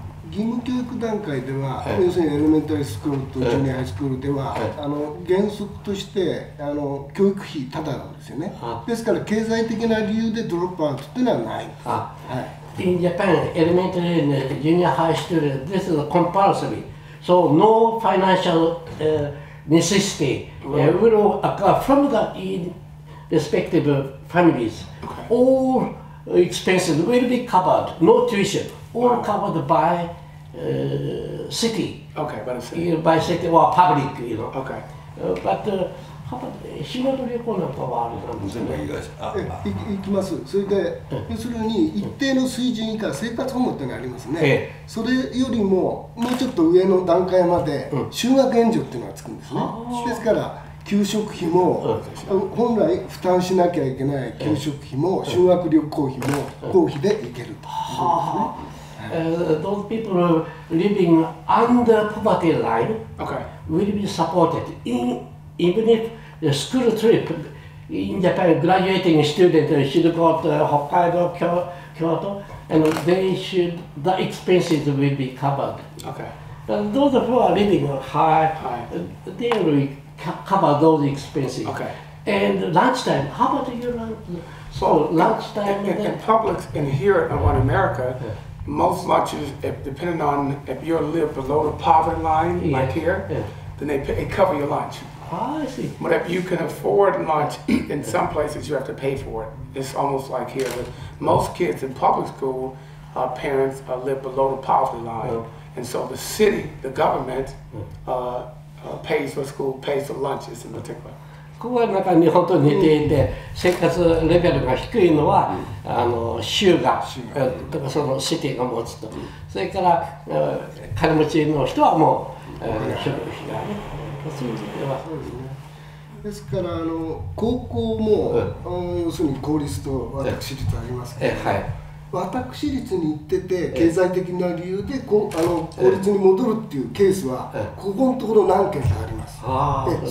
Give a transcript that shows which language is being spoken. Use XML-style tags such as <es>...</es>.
<ja>義務教育段階では、要するにエレメンタリースクールとジュニアハイスクールでは、あの原則としてあの教育費タダなんですよね。ですから経済的な理由でドロップアウトというのはない。はい。</ja> <en>In Japan, elementary and junior high school, this is compulsory. So no financial necessity will occur from the respective families. All expenses will be covered. No tuition. All covered by city. Okay, by the city. You know, by city or public, you know. Okay. But how about</en> <ja>仕事旅行なんかはあるんですか？全部行きます。それで、要するに一定の水準以下、生活保護ってのがありますね。それよりももうちょっと上の段階まで、就学援助っていうのがつくんですね。ですから、給食費も、本来負担しなきゃいけない給食費も、修学旅行費も、公費で行けるということですね。</ja> <en>Those people living under poverty line will be supported. Even if the school trip in Japan, graduating students should go to Hokkaido, Kyoto, and they should, the expenses will be covered. Okay. But those who are living high, they will cover those expenses. Okay. And lunchtime, how about you lunch? So lunchtime in public and here in America, most lunches, if, depending on if you live below the poverty line, yes, like here, then they cover your lunch. Oh, I see. But if you can afford lunch in some places, you have to pay for it. It's almost like here. But most kids in public school, parents live below the poverty line. And so the city, the government, pays for school, pays for lunches in particular.</en> <ja>ここはなんか日本と似ていて、生活レベルが低いのは、あの州が、とかそのシティが持つと、それから金持ちの人はもう、食費がね、そういう意味ではそうですね。ですからあの高校も、要するに公立と私立ありますけど、私立に行ってて経済的な理由で公立に戻るっていうケースは、ここのところ何件かあります。</ja>